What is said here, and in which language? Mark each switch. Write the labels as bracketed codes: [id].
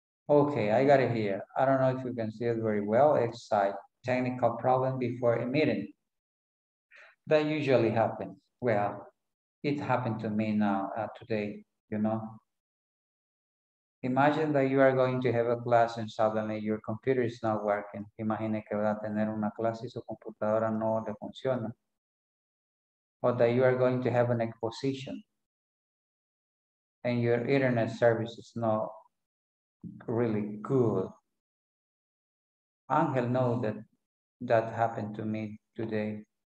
[en] Okay, I got it here. I don't know if you can see it very well. It's a technical problem before a meeting. That usually happens. Well, it happened to me now, today, you know. Imagine that you are going to have a class and suddenly your computer is not working. [es] Imagine que va a tener una clase y su computadora no le funciona. [en] Or that you are going to have an exposition and your internet service is not really good. Angel knows that happened to me today.